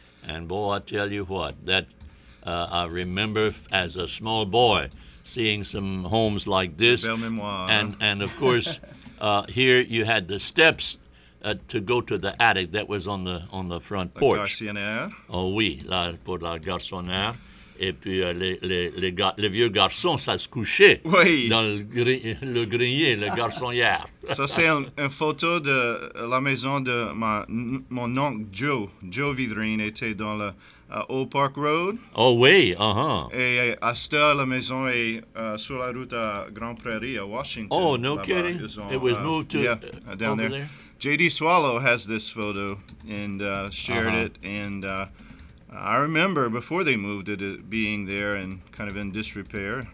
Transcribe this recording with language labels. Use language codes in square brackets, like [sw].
[en] And boy, I tell you what, that I remember as a small boy seeing some homes like this. [fr] Belle Mémoire. [en] And of course, here you had the steps to go to the attic that was on the front porch. [fr] La garçonnière. Oh oui, là, pour la garçonnière. Et puis les vieux garçons, ça se couchait dans le grenier, le garçonnière. Ça, c'est une photo de la maison de mon oncle Joe. Joe Vidrine était dans le Old Park Road. Oh oui, uh-huh. Et à cette heure, la maison est sur la route à Grand Prairie, à Washington. Oh, no là-bas. [en] Kidding. [fr] Ont, [en] it was moved to down over there. J.D. Swallow has this photo and shared uh-huh. it and... I remember before they moved it being there and kind of in disrepair.